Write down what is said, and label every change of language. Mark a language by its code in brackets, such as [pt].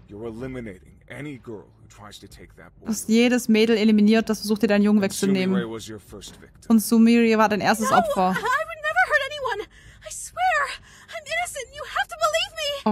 [en] You're eliminating any girl who tries to take that boy. [de] Du hast jedes Mädel eliminiert, das versucht, dir deinen Jungen wegzunehmen. [en] Sumire was your first victim. [de] Und Sumire war dein erstes Opfer. [en] I would never hurt anyone. I swear, I'm innocent. You have to believe me.